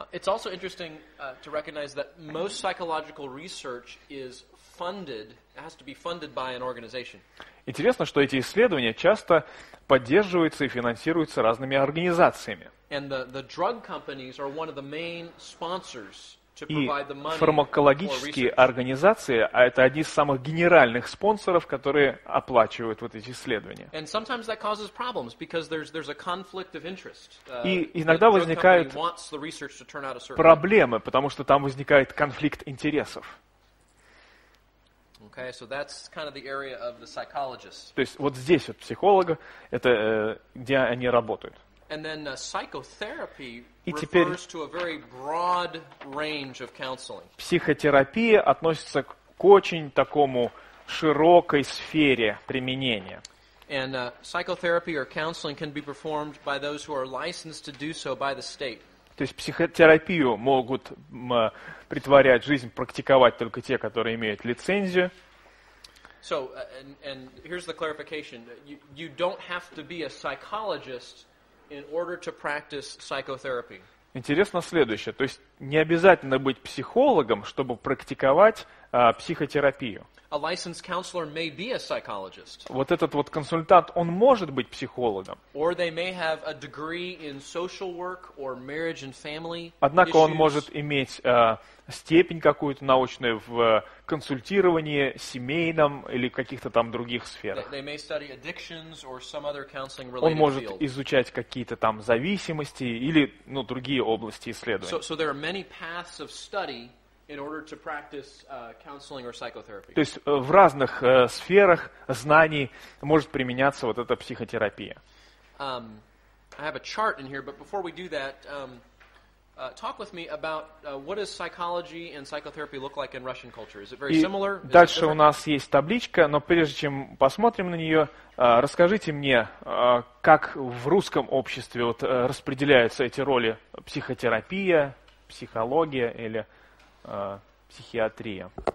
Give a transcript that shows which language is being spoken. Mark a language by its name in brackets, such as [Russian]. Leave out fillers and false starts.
[English] It's also interesting to recognize that most psychological research is funded, has to be funded by an organization. [Russian] Интересно, что эти исследования часто поддерживаются и финансируются разными организациями. [English] And the drug companies are one of the main sponsors to provide the money. [Russian] И фармакологические организации, а это одни из самых генеральных спонсоров, которые оплачивают вот эти исследования. [English] And sometimes that causes problems because there's a conflict of interest. [Russian] И иногда возникают проблемы, потому что там возникает конфликт интересов. [English] Okay, so that's kind of the area of the psychologist. [Russian] То есть вот здесь вот психолога, это где они работают. [English] And then psychotherapy refers to a very broad range of counseling. [Russian] Психотерапия относится к очень такому широкой сфере применения. [English] And psychotherapy or counseling can be performed by those who are licensed to do so by the state. [Russian] То есть психотерапию могут претворять в жизнь, практиковать только те, которые имеют лицензию. [English] So, and here's the clarification. You don't have to be a psychologist in order to practice psychotherapy. [Russian] Интересно следующее. То есть не обязательно быть психологом, чтобы практиковать психотерапию. [English] A licensed counselor may be a psychologist. [Russian] Вот этот вот консультант, он может быть психологом. [English] Or they may have a degree in social work or marriage and family. [Russian] Однако он может иметь степень какую-то научную в консультировании семейном или каких-то там других сферах. [English] They may study addictions or some other counseling related field. [Russian] Он может изучать какие-то там зависимости или, ну, другие области исследования. [English] So there are many paths of study in order to practice counseling or psychotherapy. [Russian] То есть в разных сферах знаний может применяться вот эта психотерапия. [English] I have a chart in here, but before we do that, talk with me about what does psychology and psychotherapy look like in Russian culture? Is it very similar? [Russian] И дальше у нас есть табличка, но прежде чем посмотрим на нее, расскажите мне, как в русском обществе вот распределяются эти роли: психотерапия, психология или психиатрия.